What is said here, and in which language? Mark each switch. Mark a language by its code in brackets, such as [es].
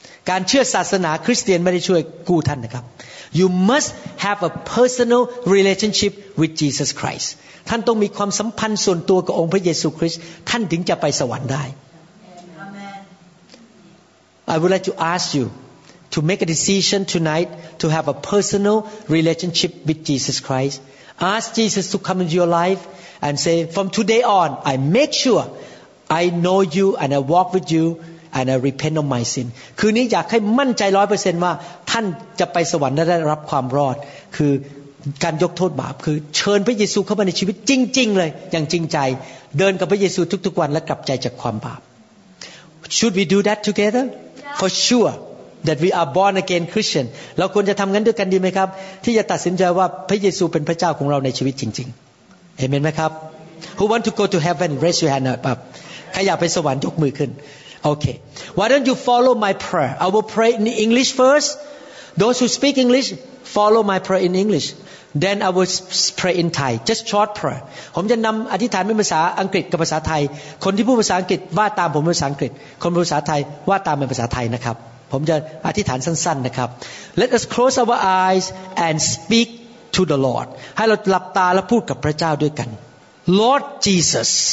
[th] การเชื่อศาสนาคริสเตียนไม่ได้ช่วยกู้ท่านนะครับ [en] You must have a personal relationship with Jesus Christ. [th] ท่านต้องมีความสัมพันธ์ส่วนตัวกับองค์พระเยซูคริสต์ท่านถึงจะไปสวรรค์ได้ [en] I would like to ask you to make a decision tonight to have a personal relationship with Jesus Christ. Ask Jesus to come into your life and say, from today on, I make sure I know you and I walk with you and I repent of my sin. [th] คืนนี้อยากให้มั่นใจ 100% ว่าท่านจะไปสวรรค์และได้รับความรอดคือการยกโทษบาปคือเชิญพระเยซูเข้ามาในชีวิตจริงๆเลยอย่างจริงใจเดินกับพระเยซูทุกๆวันและกลับใจจากความบาป [en] Should we do that togetherFor sure that we are born again Christian. [th] เราควรจะทำงั้นด้วยกันดีไหมครับที่จะตัดสินใจว่าพระเยซูเป็นพระเจ้าของเราในชีวิตจริงๆ Amen ไหมครับ [en] Who want to go to heaven? Raise your hand up. [th] ใครอยากไปสวรรค์ยกมือขึ้น Okay. [en] Why don't you follow my prayer? I will pray in English first. Those who speak English, follow my prayer in English. Then I will pray in Thai. Just short prayer. [th] ผมจะนำอธิษฐานเป็นภาษาอังกฤษกับภาษาไทยคนที่พูดภาษาอังกฤษว่าตามผมเป็นภาษาอังกฤษคนภาษาไทยว่าตามเป็นภาษาไทยนะครับผมจะอธิษฐานสั้นๆนะครับ [en] Let us close our eyes and speak to the Lord. [th] ให้เราหลับตาและพูดกับพระเจ้าด้วยกัน Lord Jesus.